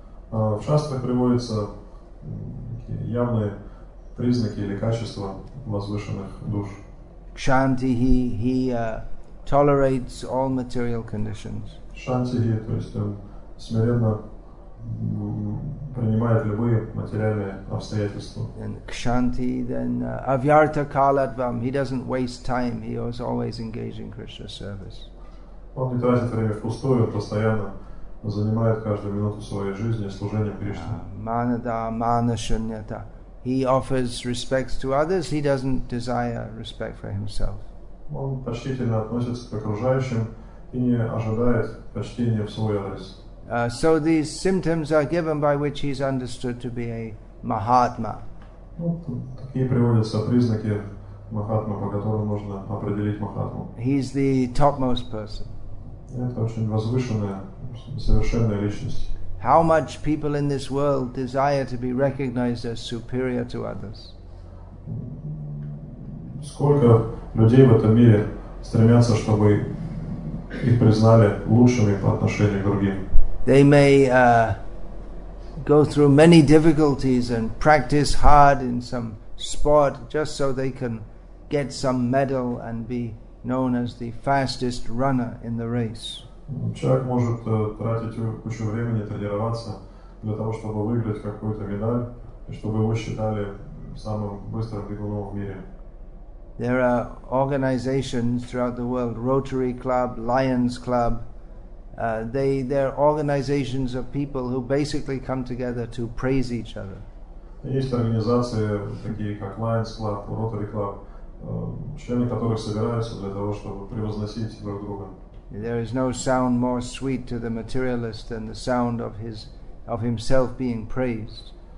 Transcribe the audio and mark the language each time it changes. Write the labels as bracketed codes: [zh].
[ru] В Шастре приводятся явные признаки или качества возвышенных душ. [en] Shanti, he tolerates all material conditions. [ru] Shanti, то есть он смиренно принимает любые материальные обстоятельства. [en] And Kshanti, then Avyartha Kaladvam, he doesn't waste time, he is always engaged in Krishna service. [ru] Он не тратит время впустую, он постоянно занимает каждую минуту своей жизни служением Кришне. [en] Manada, mana shunyata. He offers respects to others, he doesn't desire respect for himself. [ru] Он почтительно относится к окружающим и не ожидает почтения в свой адрес. [en] So these symptoms are given by which he is understood to be a Mahatma. [ru] Такие приводятся признаки Махатмы, по которым можно определить Махатму. [en] He's the topmost person. [ru] Это очень возвышенная, совершенная личность. [en] How much people in this world desire to be recognized as superior to others. [ru] Сколько людей в этом мире стремятся, чтобы их признали лучшими по отношению к другим? [en] They may go through many difficulties and practice hard in some sport just so they can get some medal and be known as the fastest runner in the race. [ru] Человек может тратить кучу времени, тренироваться для того, чтобы выиграть какую-то медаль, и чтобы его считали самым быстрым бегуном в мире. [en] There are organizations throughout the world, Rotary Club, Lions Club. They're organizations of people who basically come together to praise each other. [ru] Есть организации, такие как Lions Club, Rotary Club, члены которых собираются для того, чтобы превозносить друг друга. [en] There is no sound more sweet to the materialist than the sound of his, of himself being praised.